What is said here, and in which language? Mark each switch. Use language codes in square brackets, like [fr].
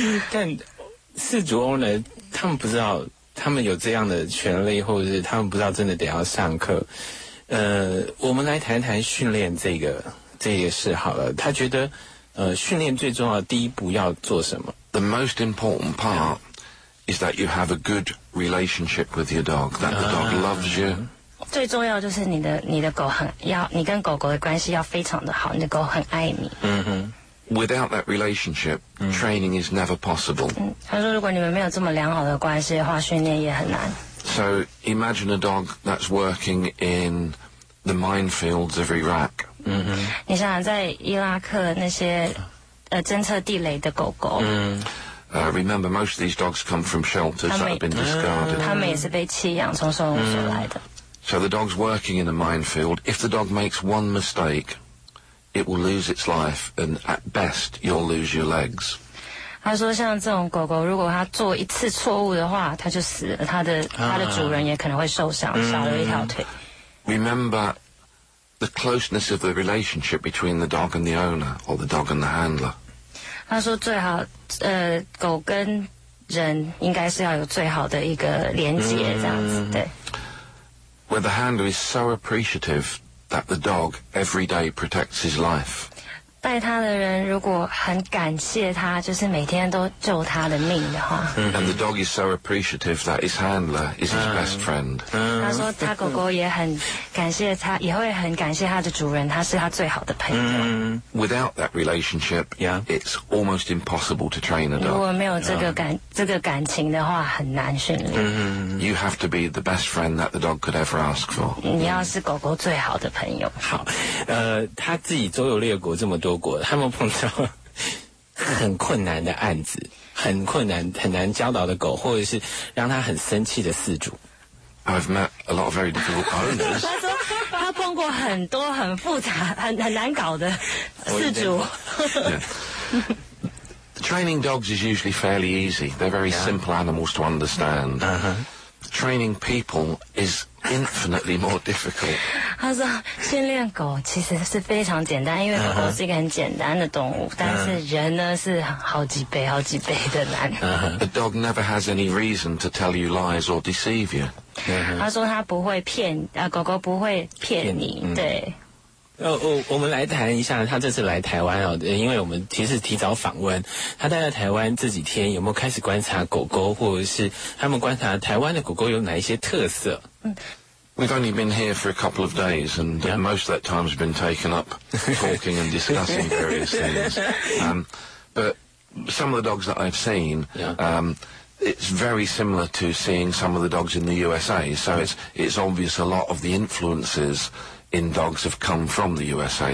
[zh] 但饲主 owner 他们不知道他们有这样的权利，或者是他们不知道真的得要上课。我们来谈谈训练这个事好了。他觉得训练最重要的第一步要做什么？ [en] The most important part. Is that you have a good relationship with your dog, that the dog loves you. [zh] 最重要就是你的狗很要你跟狗狗的关系要非常的好，你的狗很爱你。嗯哼。 [en] Without that relationship, training is never possible. [zh] 他说如果你们没有这么良好的关系的话，训练也很难。 [en] So imagine a dog that's working in the minefields of Iraq. 嗯哼。 [zh] 你想想在伊拉克那些侦测地雷的狗狗。 [en] Remember, most of these dogs come from shelters that have been discarded. [zh] 他们也是被弃养从收容所来的。 [en] So the dog's working in a minefield. If the dog makes one mistake, it will lose its life, and at best, you'll lose your legs. [zh] 他说，像这种狗狗，如果它做一次错误的话，它就死了。它的主人也可能会受伤，少了一条腿。 [en] Remember. The closeness of the relationship between the dog and the owner, or the dog and the handler. [zh] 他说最好，狗跟人应该是要有最好的一个连接，这样子，对。 [en] Where the handler is so appreciative that the dog every day protects his life. [zh] 带他的人如果很感谢他，就是每天都救他的命的话。 [en] And the dog is so appreciative that his handler is his best friend. [zh] 他说他狗狗也很感谢他，也会很感谢他的主人，他是他最好的朋友。 [en] Without that relationship, it's almost impossible to train a dog. [zh] 如果没有这个感情的话，很难训练。 [en] You have to be the best friend that the dog could ever ask for. [zh] 你要是狗狗最好的朋友。好，他自己周游列国这么多国，他们碰到很困难的案子，很困难、很难教导的狗，或者是让他很生气的饲主。 [en] I've met a lot of very difficult owners. [zh] 他说他碰过很多很复杂、很难搞的饲主。 [en] Training dogs is usually fairly easy. They're very simple animals to understand. Training people is infinitely more difficult. [zh] 他说训练狗其实是非常简单，因为狗狗是一个很简单的动物，但是人呢是好几倍、好几倍的难。 [en] A dog never has any reason to tell you lies or deceive you. [zh] 他说他不会骗，狗狗不会骗你，对。我们来谈一下他这次来台湾哦，因为我们其实提早访问他，待在台湾这几天有没有开始观察狗狗，或者是他们观察台湾的狗狗有哪一些特色？ [en] We've only been here for a couple of days, and most of that time has been taken up talking and discussing various things. But some of the dogs that I've seen, it's very similar to seeing some of the dogs in the USA. So it's obvious a lot of the influences in dogs have come from the USA.